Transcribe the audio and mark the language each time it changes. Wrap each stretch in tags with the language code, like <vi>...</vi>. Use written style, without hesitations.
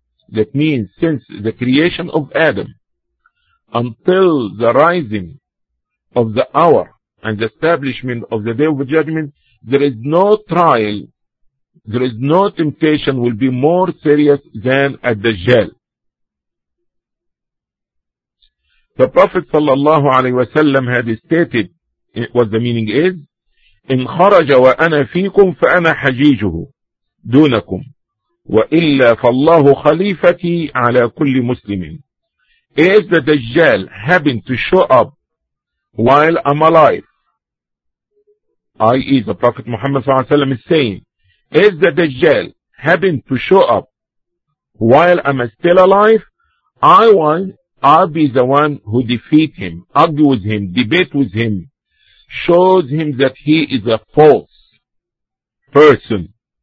<en>That means since the creation of Adam until the rising of the hour and the establishment of the day of judgment, there is no trial, there is no temptation will be more serious than Ad-Dajjal. The Prophet sallallahu alaihi wasallam had stated what the meaning is,</en> <ar>إِنْ خَرَجَ وَأَنَا فِيكُمْ فَأَنَا حَجِيجُهُ دُونَكُمْ وَإِلَّا فَاللَّهُ خَلِيفَتِي عَلَى كُلِّ مُسْلِمٍ.</ar> <en>If the Dajjal happened to show up while I'm alive, i.e. the Prophet Muhammad sallallahu alaihi wasallam is saying, if the Dajjal happened to show up while I'm still alive, I'll be the one who defeat him, argue with him, debate with him, shows him that he is a false person.</en>